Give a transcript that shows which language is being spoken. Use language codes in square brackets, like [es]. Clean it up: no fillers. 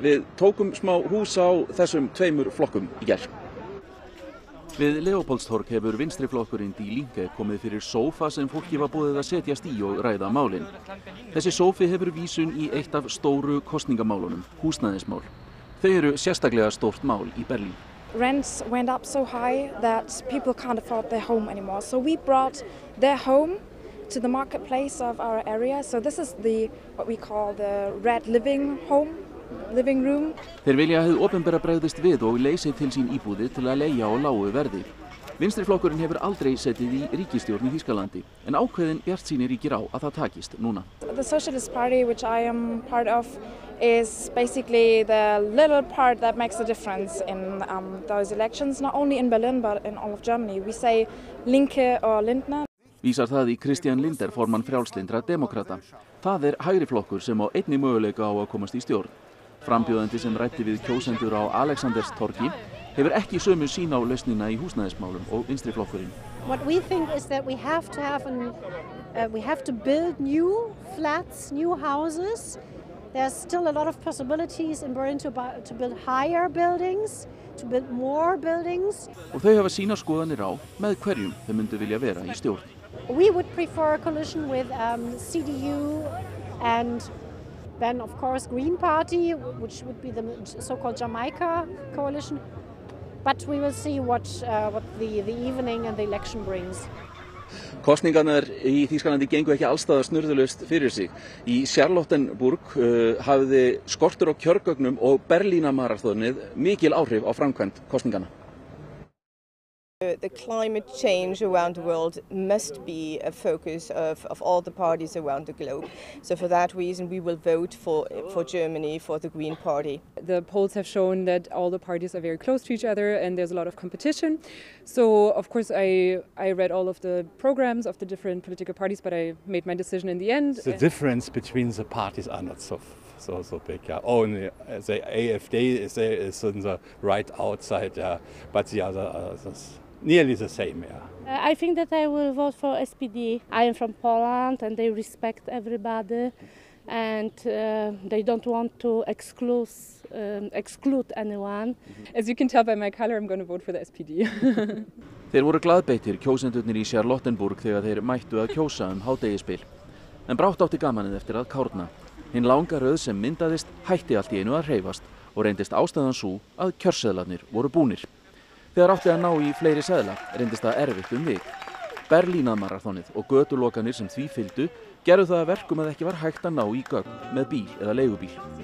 [is] Við tókum smá hús á þessum tveimur flokkum í gær. Við Leopoldstorg hefur vinstriflokkurinn Die Linke komið fyrir sófa sem fólki var búið að setjast í og ræða málin. Þessi sófi hefur vísun í eitt af stóru kosningamálunum, húsnæðismál. Þau eru sérstaklega stórt mál í Berlín. [en] Rents went up so high that people can't afford their home anymore. So we brought their home to the marketplace of our area. So this is what we call the red living home. [is] Þeir vilja að hið opinbera bregðist við og leysi til sín íbúði til að leigja á lágu verði. Vinstriflokkurinn hefur aldrei setið í ríkisstjórn í Þýskalandi, en ákveðin bjartsýni ríkir á að það takist núna. [en] The Socialist Party, which I am part of, is basically the little part that makes a difference in those elections, not only in Berlin, but in all of Germany. We say Linke or Lindner. [is] Vísar það í Christian Lindner, formann frjálslyndra demokrata. Það hægri flokkur sem á einni möguleika á að komast í stjórn. Frambjóðandi sem ræddi við kjósendur á Alexanderstorgi hefur ekki sömu sýn á lausnina í húsnæðismálum og vinstriflokkurinn. [en] What we think is that we have to build new flats, new houses. There's still a lot of possibilities in Berlin to build higher buildings, to build more buildings. [is] Og þau hafa sína skoðanir á með hverjum þau myndu vilja vera í stjórn. [en] We would prefer a coalition with CDU and then of course Green Party, which would be the so-called Jamaica coalition, but we will see what the evening and the election brings. [is] Kosningarnar í Þýskalandi gengu ekki allstaðar snurðulaust fyrir sig. Í Charlottenburg hafði skortur á kjörgögnum og Berlínamaraþonið mikil áhrif á framkvæmd kosninganna. [en] The climate change around the world must be a focus of all the parties around the globe. So for that reason, we will vote for Germany, for the Green Party. The polls have shown that all the parties are very close to each other and there's a lot of competition. So of course, I read all of the programs of the different political parties, but I made my decision in the end. The difference between the parties are not so big. Yeah. Oh, and the AfD is on the right outside, yeah. But the other is nearly the same. Yeah. I think that I will vote for SPD. I am from Poland and they respect everybody and they don't want to exclude anyone. As you can tell by my color, I'm going to vote for the SPD. [is] Þeir voru glaðbeittir kjósendurnir í Charlottenburg þegar þeir mættu að kjósa hádegisbil. En brátt átti gamanið eftir að kárna. Hinn langa röð sem myndaðist hætti allt í einu að hreyfast og reyndist ástæðan sú að kjörseðlarnir voru búnir. Þegar átti að ná í fleiri seðla reyndist það erfitt vik. Berlínamarathonið og götulokanir sem því fylgdu gerðu það að verkum að ekki var hægt að ná í gögn með bíl eða leigubíl.